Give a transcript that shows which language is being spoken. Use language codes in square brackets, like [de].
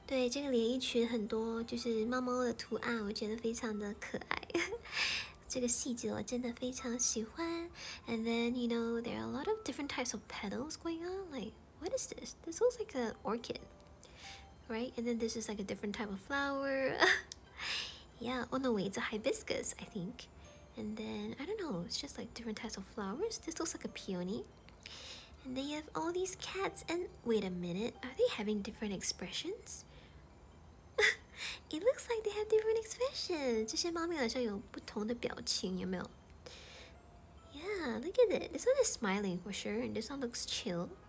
[zh] 对，这个连衣裙很多就是猫猫的图案，我觉得非常的可爱。这个细节我真的非常喜欢。 [en] And then, you know, there are a lot of different types of petals going on. Like, what is this? This looks like an orchid, right? And then this is like a different type of flower. Yeah, oh no, wait, it's a hibiscus, I think. And then, I don't know, it's just like different types of flowers. This looks like a peony. And then you have all these cats, and wait a minute, are they having different expressions? It looks like they have different expressions. [zh] 这些猫咪好像有不同的表情，有没有？ [en] Yeah, look at it. This one is smiling for sure, and this one looks chill.